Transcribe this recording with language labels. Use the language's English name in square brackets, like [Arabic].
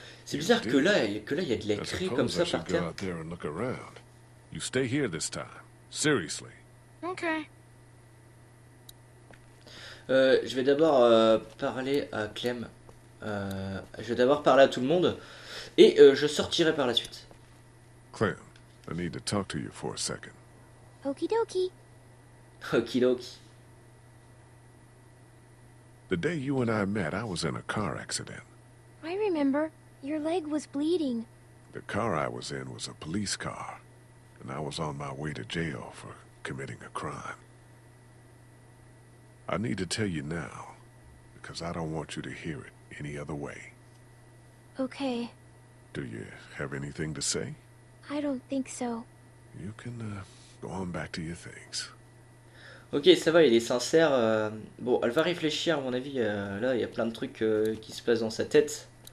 [French] C'est bizarre que là il y a de l'écrit comme ça par terre. [English] Go out there and look around. You stay here this time. Seriously. Okay. [French] Je vais d'abord parler à Clem. Je vais d'abord parler à tout le monde et je sortirai par la suite. [English] Clem, I need to talk to you for a second. Okey-dokey. Okey-dokey. The day you and I met, I was in a car accident. I remember. Your leg was bleeding. The car I was in was a police car, and I was on my way to jail for committing a crime. I need to tell you now, because I don't want you to hear it any other way. Okay. Do you have anything to say? I don't think so. You can go on back to your things. [French] Ok, ça va, il est sincère. Bon, elle va réfléchir, à mon avis. Là, il y a plein de trucs qui se passent dans sa tête.